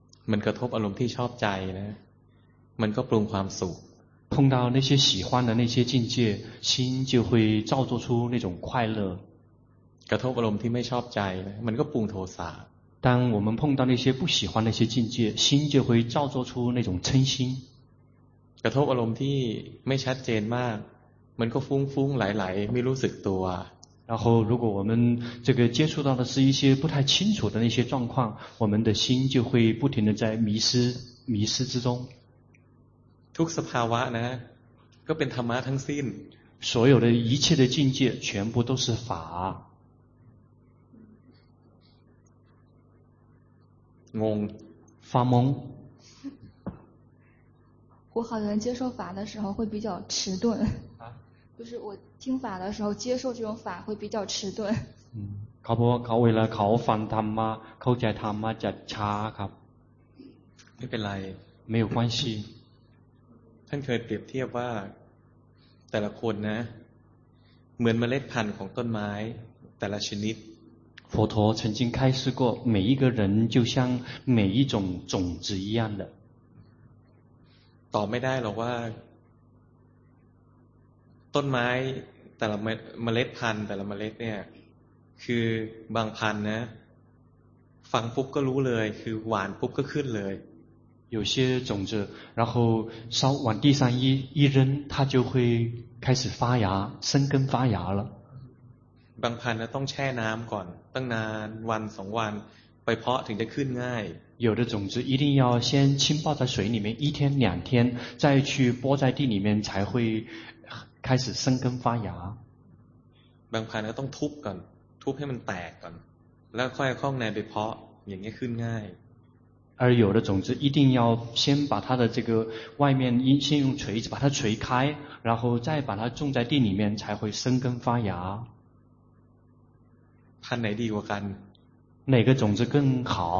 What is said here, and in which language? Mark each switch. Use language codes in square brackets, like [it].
[th] มันกระทบอารมณ์ที่ชอบใจนะมันก็ปรุงความสุข [zh] 碰到那些喜欢的那些境界心就会造作出那种快乐 [th] กระทบอารมณ์ที่ไม่ชอบใจมันก็ปรุงโทสะ [zh] 当我们碰到那些不喜欢那些境界心就会造作出那种嗔心 [th] กระทบอารมณ์ที่ไม่ชัดเจนมากมันก็ฟุ้งฟุ้งไหลไม่รู้สึกตัว [zh] 然后如果我们这个接触到的是一些不太清楚的那些状况我们的心就会不停的在迷失之中 [th] ทุกสภาวะนะก็เป็นธรรมะทั้งสิ้น [zh] 所有的一切的境界全部都是法 [th] งง [zh] 发懵我好像接受法的时候会比较迟钝就是我听法的时候接受这种法会比较迟钝 [th] เขาบอกว่าเขาเวลาเขาฟังธรรมะเข้าใจธรรมะจะช้าครับ ไม่เป็นไร [zh] 没有关系 [th] ท่านเคยเปรียบเทียบว่าแต่ละคนนะเหมือนเมล็ดพันธุ์ของต้นไม้แต่ละชนิด [zh] 佛陀曾经开示过每一个人就像每一种种子一样的 [th] ตอบไม่ได้หรอกว่าต้นไม้แต่ละเมล็ดพันธุ์แต่ละเมล็ดเนี่ยคือบางพันธุ์นะฟังปุ๊บก็รู้เลยคือหวานปุ๊บก็ขึ้นเลย [zh] 有些种子然后稍往地上一扔它就会开始发芽生根发芽了 [th] บางพันธุ์นะต้องแช่น้ำก่อนตั้งนานวันสองวันไปเพาะถึงจะขึ้นง่าย [zh] 有的种子一定要先浸泡在水里面一天两天再去播在地里面才会开始生根发芽 [th] บางพันธุ์ก็ต้องทุบก่อนทุบให้มันแตกก่อนแล้วค่อยคล้องในไปเพาะอย่างนี้ขึ้นง่าย [zh] 而有的种子一定要先把它的这个外面先用锤子把它锤开然后再把它种在地里面才会生根发芽 [th] พันธุ์ไหนดีกว่ากัน [zh] 哪个种子更好